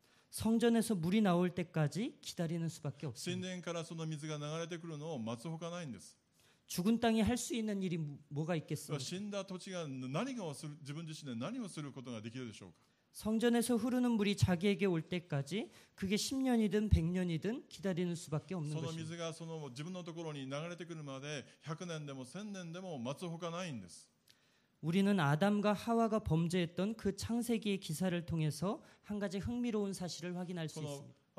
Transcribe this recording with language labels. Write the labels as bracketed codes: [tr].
[ko] 성전에서 물이 나올 때까지 기다리는 수밖에 없습니다. [ja] 神殿からその水が流れてくるのを待つほかないんです。 [ko] 죽은 땅이 할 수 있는 일이 뭐가 있겠습니까? [ja] 死んだ土地が何を自分自身で何をすることができるでしょうか。 [ko] 성전에서 흐르는 물이 자기에게 올 때까지 그게 10년이든 100년이든 기다리는 수밖에 없는 것입니다. [ja] その水がその自分のところに流れてくるまで100年でも1000年でも待つほかないんです。 [ko] 우리는 아담과 하와가 범죄했던 그 창세기의 기사를 통해서 한 가지 흥미로운 사실을 확인할 수 있습니다.